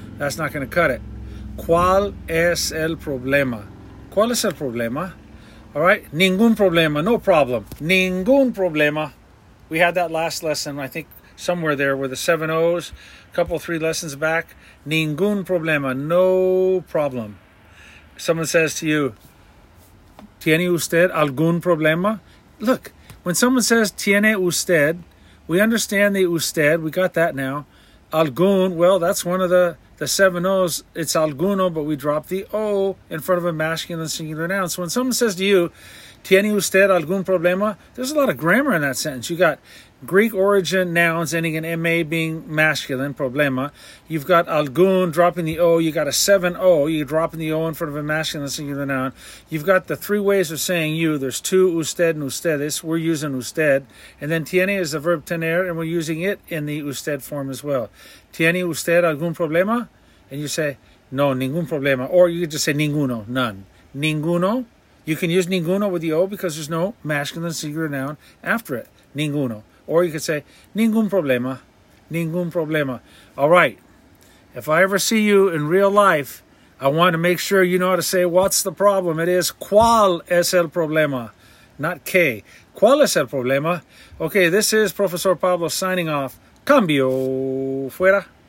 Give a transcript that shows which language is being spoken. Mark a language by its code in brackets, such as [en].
[en] That's not going to cut it. [es] ¿Cuál es el problema? ¿Cuál es el problema? All right, ningún problema, [en] no problem. [es] Ningún problema. [en] We had that last lesson, I think somewhere there were the seven O's, a couple, three lessons back. Ningún problema, no problem. Someone says to you, [es] ¿tiene usted algún problema? [en] Look, when someone says, [es] ¿tiene usted? [en] We understand the usted, we got that now. Algún, well, that's one of the seven O's, it's alguno, but we drop the O in front of a masculine singular noun. So when someone says to you, [es] ¿tiene usted algún problema? [en] There's a lot of grammar in that sentence. You got Greek origin nouns ending in MA being masculine, problema. You've got algún dropping the O. You got a seven O. You're dropping the O in front of a masculine singular noun. You've got the three ways of saying you. There's two, usted and ustedes. We're using usted. And then tiene is the verb tener, and we're using it in the usted form as well. [es] ¿Tiene usted algún problema? [en] And you say, no, [es] ningún problema. [en] Or you could just say ninguno, none. Ninguno. You can use ninguno with the O because there's no masculine singular noun after it. Ninguno. Or you could say, [es] ningún problema. Ningún problema. [en] All right. If I ever see you in real life, I want to make sure you know how to say what's the problem. It is [es] ¿cuál es el problema? [en] Not K. [es] ¿Cuál es el problema? [en] Okay, this is Professor Pablo signing off. [es] Cambio fuera.